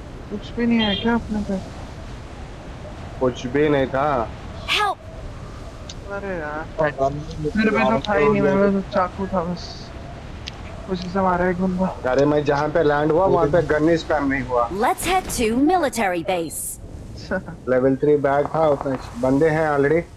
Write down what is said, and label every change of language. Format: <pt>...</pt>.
<hi>कुछ भी नहीं है क्या अपने पे? कुछ भी नहीं था. अरे मैं जहाँ पे लैंड हुआ वहाँ पे गन स्पैम नहीं हुआ.</hi> <en>Let's head to military base.</en> <hi>अच्छा लेवल 3 बैग था उसमें बंदे हैं ऑलरेडी</hi>